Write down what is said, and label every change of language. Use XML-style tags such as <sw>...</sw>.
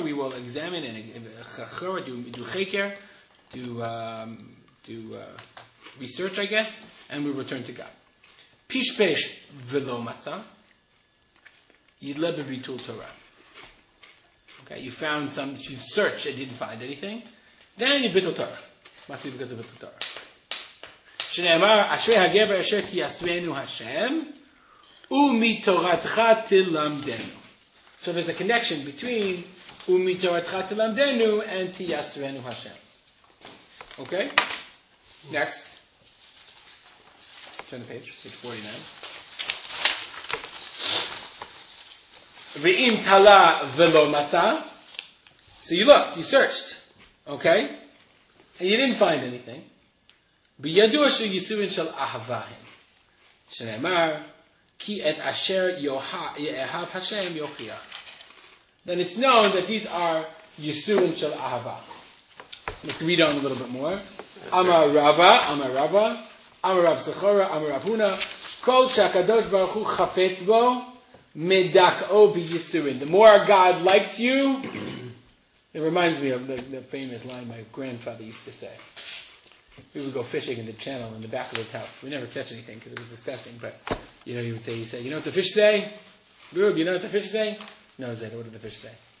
<en>We will examine and chachor, do cheker, do research, I guess, and we return to God.</en> <he>Pish pesh v'lo matza. Yidle b'bitul Torah.</he> <en>Okay, you found some, you searched and didn't find anything. Then you bitul Torah. Must be because of bitul Torah.</en> <he>שנאמר, אשרי הגבר אשר תיישבנו השם, ומתורתך תלמדנו.</he> <en>So there's a connection between</en> <he>ומתורתך תלמדנו</he> <en>and</en> <he>תיישבנו השם.</he> <en>Okay? Next. Turn the page 49.</en> <he>ואם תלה ולא מצא,</he> <en>so you looked, you searched, okay? And you didn't find anything.</en> <he>בידוע שיסורים של אהבה הם, שנאמר, כי את אשר יאהב השם יוכיח.</he> <en>Then it's known that these are</en> <he>יסורים של אהבה.</he> <en>Let's read on a little bit more.</en> <he>אמר רבא, אמר רבא, אמר רב סחורה, אמר רב הונא, כל שהקדוש ברוך הוא חפץ בו, מדכאו ביסורים.</he> <en>The more God likes you, it reminds me of the famous line my grandfather used to say. We would go fishing in the channel in the back of his house. We never catch anything because it was disgusting. But, you know, he would say, you know what the fish say? Rube, you know what the fish say? No, Zed, what did the fish say?</en>